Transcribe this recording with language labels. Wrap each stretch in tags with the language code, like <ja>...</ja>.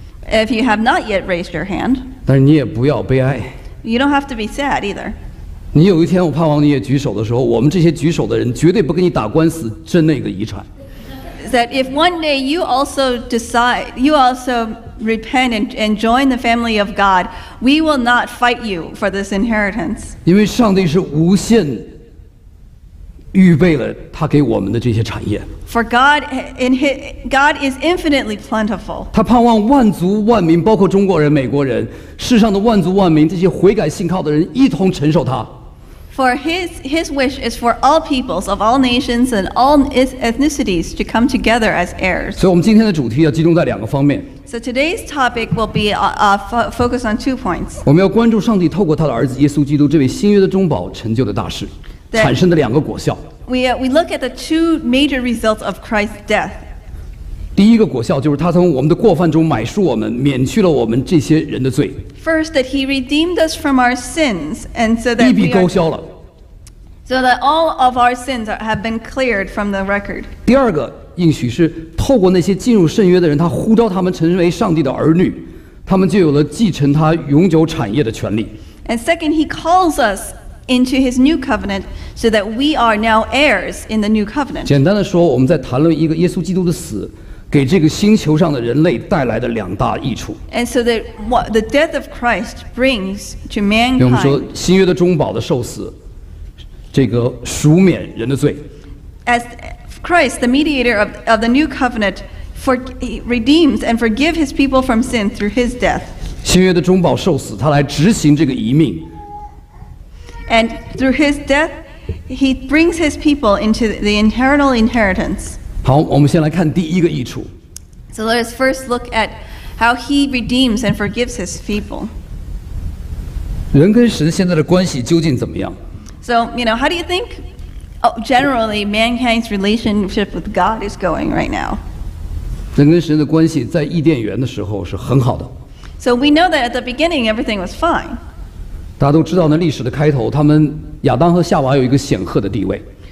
<en>，if you have not yet raised your hand，</en> <zh>但是你也不要悲哀。</zh> <en>You don't have to be sad either.</en> <zh>你有一天，我盼望你也举手的时候，我们这些举手的人绝对不跟你打官司争那个遗产。</zh> <en>That if one day you also decide, you also repent and join the family of God, we will not fight you for this inheritance.</en> <zh>因为上帝是无限预备了他给我们的这些产业。</zh> <en>For God is infinitely plentiful.</en> <zh>他盼望万族万民，包括中国人、美国人，世上的万族万民，这些悔改信靠的人一同承受他。</zh> <en>For his wish is for all peoples of all nations and all ethnicities to come together as heirs.</en> <zh>所以我们今天的主题要集中在两个方面。</zh> <en>So today's topic will be focused on 2 points.</en> <zh>我们要关注上帝透过他的儿子耶稣基督这位新约的中保成就的大事，产生的两个果效。</zh> <en>We look at the 2 major results of Christ's death.</en> <zh>第一个果效就是他从我们的过犯中买赎我们，免去了我们这些人的罪。</zh> <en>First, that he redeemed us from our sins, and so that</en> <zh>一笔勾销了。</zh> <en>So that all of our sins have been cleared from the record.</en> <zh>第二个应许是透过那些进入圣约的人，他呼召他们成为上帝的儿女，他们就有了继承他永久产业的权利。</zh> <en>And second, he calls us into his new covenant so that we are now heirs in the new covenant.</en> <zh>简单的说，我们在谈论一个耶稣基督的死给这个星球上的人类带来的两大益处。</zh> <en>And so that what the death of Christ brings to mankind.</en> <zh>我们说新约的中保的受死，这个赎免人的罪。</zh> <en>As Christ, the mediator of the new covenant, redeems and forgives his people from sin through his death.</en> <zh>新约的中保受死，他来执行这个遗命。</zh> <en>And through his death, he brings his people into the eternal inheritance.</en> <zh>好，我们先来看第一个益处。</zh> <en>So let us first look at how he redeems and forgives his people.</en> <zh>人跟神现在的关系究竟怎么样？</zh> <en>So, you know, how do you think, generally, mankind's relationship with God is going right now?</en> <zh>人跟神的关系在伊甸园的时候是很好的。</zh> <en>So we know that at the beginning, everything was fine.</en> <zh>大家都知道那历史的开头，他们亚当和夏娃有一个显赫的地位。</zh>